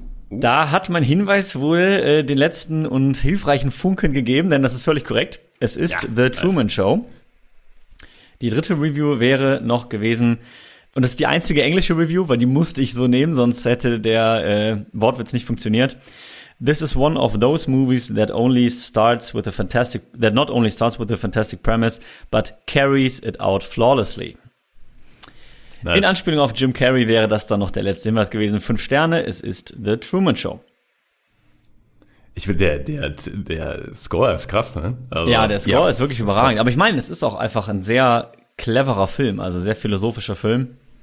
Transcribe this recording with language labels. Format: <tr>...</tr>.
<de>Da hat mein Hinweis wohl den letzten und hilfreichen Funken gegeben, denn das ist völlig korrekt. Es ist The Truman Show. Die dritte Review wäre noch gewesen, und das ist die einzige englische Review, weil die musste ich so nehmen, sonst hätte der Wortwitz nicht funktioniert.</de> <en>This is one of those movies that only starts with a fantastic, that not only starts with a fantastic premise, but carries it out flawlessly. Nice.</en> <de>In Anspielung auf Jim Carrey wäre das dann noch der letzte Hinweis gewesen. 5 Sterne, es ist The Truman Show. Ich will, der Score ist krass, ne? Also, ja, der Score ist wirklich überragend. Krass. Aber ich meine, es ist auch einfach ein sehr cleverer Film, also sehr philosophischer Film.</de>